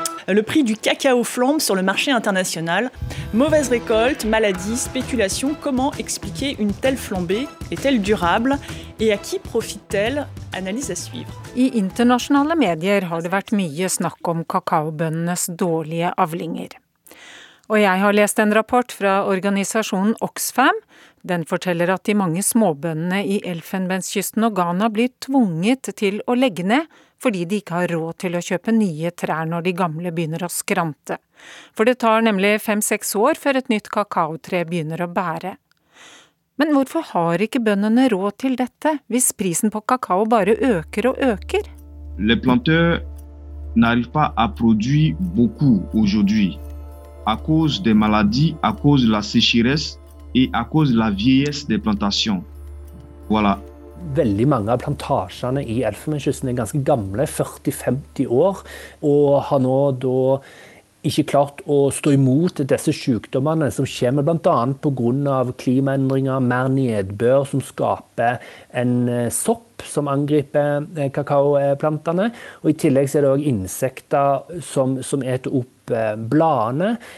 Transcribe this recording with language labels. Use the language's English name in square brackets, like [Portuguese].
[French] Le prix du cacao flambe sur le marché international. Mauvaise récolte, maladie, spéculation, comment expliquer une telle flambée? Est-elle durable? Et à qui profite-t-elle? Analyse à suivre. [Norwegian] I internasjonale medier har det vært mye snakk om kakaobønnenes dårlige avlinger. Og jeg har lest en rapport fra organisasjonen Oxfam. Den forteller at de mange småbønnene i Elfenbenskysten og Ghana blir tvunget til å legge ned fordi de ikke har råd til å kjøpe nye trær når de gamle begynner å skrante. For det tar nemlig 5-6 år før et nytt kakaotre begynner å bære. Men hvorfor har ikke bøndene råd til dette, hvis prisen på kakao bare øker og øker? [French] Les planteurs n'arrivent pas à produire beaucoup aujourd'hui à cause des maladies, à cause de la sécheresse et à cause de la vieillesse des plantations. Voilà. [Norwegian] Veldig mange av plantasjene i Elfenbenskysten er ganske gamle, 40-50 år, og har nå da ikke klart å stå imot disse sykdommene som kommer blant annet på grunn av klimaendringer, mer nedbør som skaper en sopp som angriper kakaoplantene, og i tillegg er det også insekter som eter opp bladene.